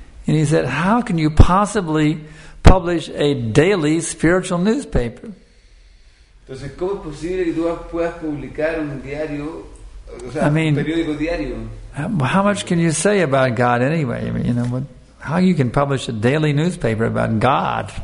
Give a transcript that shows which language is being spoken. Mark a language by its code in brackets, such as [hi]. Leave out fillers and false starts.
[en] And he said, "How can you possibly publish a daily spiritual newspaper?" [es] Entonces, ¿cómo es posible que tú puedas publicar un diario? O sea, [en] I mean, how much can you say about God anyway? I mean, you know, what, how you can publish a daily newspaper about God?